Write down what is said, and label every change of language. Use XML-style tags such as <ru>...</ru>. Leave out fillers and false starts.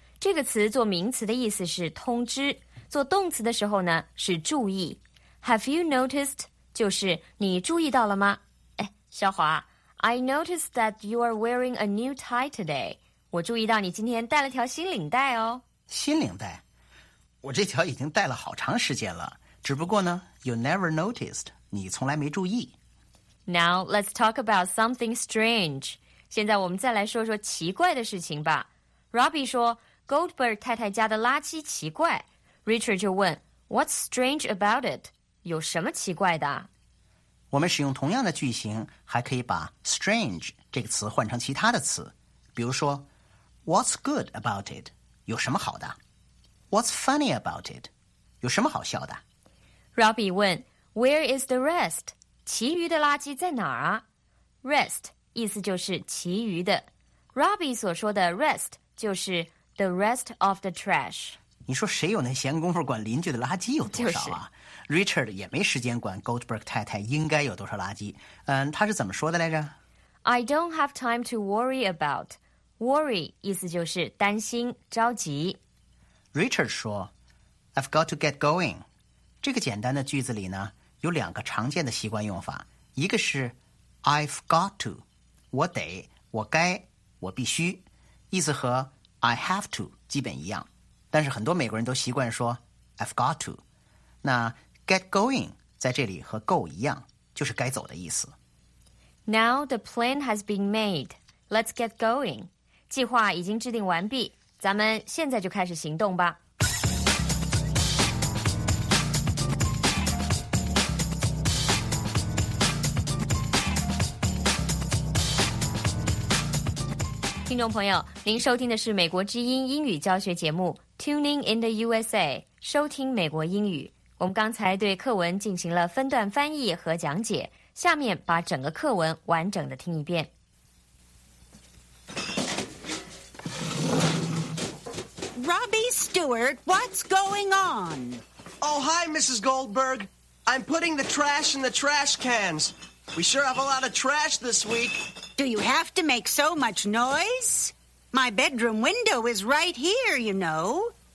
<zh>这个词做名词的意思是通知，做动词的时候呢是注意。</zh> <en>Have you noticed?</en> <zh>就是你注意到了吗？</zh> <en>哎，小华 ，I noticed that you are wearing a new tie today.</en> <zh>我注意到你今天戴了条新领带哦。新领带？我这条已经戴了好长时间了，只不过呢 ，</zh> <en>you never noticed.</en> <zh>你从来没注意。</zh> <en>Now, let's talk about something strange.</en> <zh>现在我们再来说说奇怪的事情吧。Robbie 说 Goldberg 太太家的垃圾奇怪。</zh> <en>Richard</en> <zh>就问</zh> <en>What's strange about it?</en> <zh>有什么奇怪的？我们使用同样的句型，还可以把 strange 这个词换成其他的词。比如说</zh> <en>What's good about it?</en> <zh>有什么好的？</zh> <en>What's funny about it?</en> <zh>有什么好笑的？</zh> <en>Robbie 问 Where is the rest?</en> <zh>其余的垃圾在哪儿啊？ Rest 意思就是其余的。 Robbie 所说的 rest 就是</zh> <en>the rest of the trash。</en> <zh>你说谁有那闲工夫管邻居的垃圾有多少啊？就是， Richard 也没时间管 Goldberg 太太应该有多少垃圾。嗯，他是怎么说的来着？</zh> <en>I don't have time to worry about.</en> <zh>Worry 意思就是担心着急。</zh> <en>Richard 说 I've got to get going.</en> <zh>这个简单的句子里呢有两个常见的习惯用法，一个是</zh> <en>I've got to，</en> <zh>我得，我该，我必须，意思和</zh> <en>I have to</en> <zh>基本一样，但是很多美国人都习惯说 I've got to。那 get going 在这里和 go 一样，就是该走的意思。</zh> <en>Now the plan has been made. Let's get going.</en> <zh>计划已经制定完毕，咱们现在就开始行动吧。听众朋友，您收听的是美国之音英语教学节目 Tuning in the USA， 收听美国英语。我们刚才对课文进行了分段翻译和讲解，下面把整个课文完整的听一遍。</zh> <en>Robbie Stewart, what's going on? Oh, hi, Mrs. Goldberg. I'm putting the trash in the trash cans. We sure have a lot of trash this week. Do you have to make so much noise? My bedroom window is right here, you know.</en>